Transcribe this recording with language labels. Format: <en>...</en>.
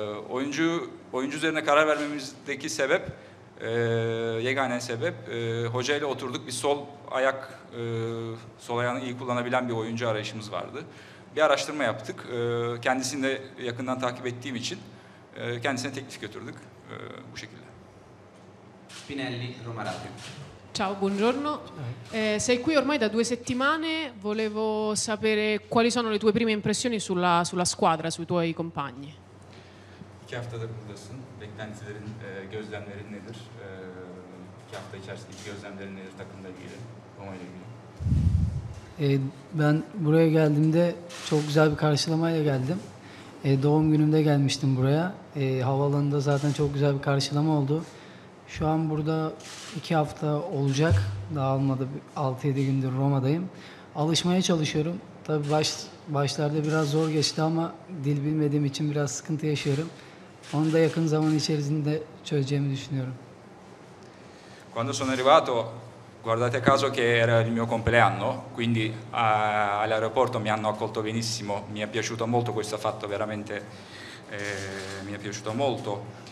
<tr>Oyuncu üzerine karar vermemizdeki sebep, yegane sebep hocayla oturduk, bir sol ayağını iyi kullanabilen bir oyuncu arayışımız vardı. Bir araştırma yaptık, kendisini de yakından takip ettiğim için kendisine teklif götürdük bu şekilde.</tr> <it>Spinelli, Roma Radio. Ciao, buongiorno. Sei qui ormai da due settimane, volevo sapere quali sono le tue prime impressioni sulla squadra, sui tuoi compagni.</it> <tr>İki haftadır buradasın. Beklentilerin, gözlemlerin nedir? İki hafta içerisindeki gözlemlerin nedir takımla ilgili, Roma'yla ilgili? Ben buraya geldiğimde çok güzel bir karşılamayla geldim. Doğum günümde gelmiştim buraya. Havaalanında zaten çok güzel bir karşılama oldu. Şu an burada iki hafta olacak. Daha almadı, 6-7 gündür Roma'dayım. Alışmaya çalışıyorum. Tabii başlarda biraz zor geçti ama dil bilmediğim için biraz sıkıntı yaşıyorum. Onu da yakın zaman içerisinde çözeceğimi düşünüyorum.</tr> <it>Quando sono arrivato, guardate caso che era il mio compleanno, quindi all'aeroporto mi hanno accolto benissimo, mi è piaciuto molto questo fatto, veramente mi è piaciuto molto.</it>